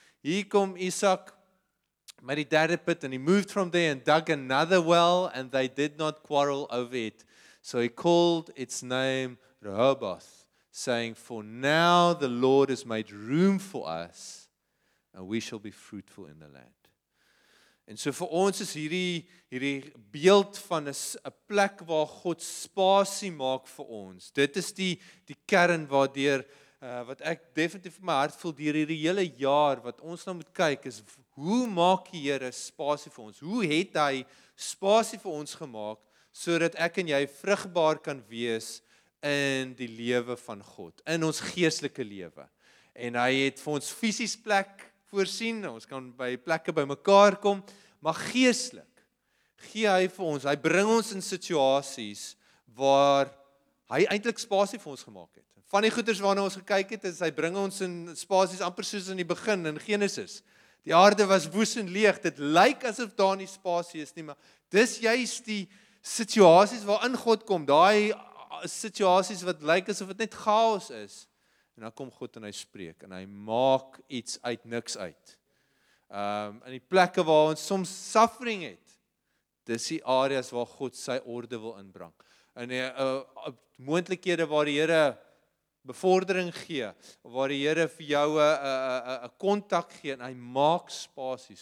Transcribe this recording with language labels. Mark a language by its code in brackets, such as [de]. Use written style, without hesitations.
[af] Hier kom Isak met die derde put [en] and he moved from there and dug another well and they did not quarrel over it. So he called its name Rehoboth, saying, for now the Lord has made room for us, and we shall be fruitful in the land. [af] En so vir ons is hierdie beeld van 'n plek waar God spasie maak vir ons. Dit is die kern waardeur wat ek definitief in my hart voel deur hierdie hele jaar wat ons nou moet kyk is hoe maak die Here spasie vir ons? Hoe het hy spasie vir ons gemaak sodat ek en jy vrugbaar kan wees in die lewe van God, in ons geestelike lewe. En hy het vir ons fisies plek voorsien, ons kan by plekke by mekaar kom, maar geestelik gee hy vir ons, hy bring ons in situasies waar hy eintlik spasie vir ons gemaak het. Van die goeders waarna ons gekyk het, is hy bring ons in spasies amper soos in die begin in Genesis. Die aarde was woes en leeg, dit lyk asof daar nie spasie is nie, maar dis juist die situasies waarin God kom, daai situasies wat lyk asof dit net chaos is. En dan kom God en hy spreek en hy maak iets uit niks uit. In die plekke waar ons soms suffering het, dis die areas waar God sy orde wil inbring. In die moontlikhede waar die Here bevordering gee, waar die Here vir jou 'n kontak gee en hy maak spasie.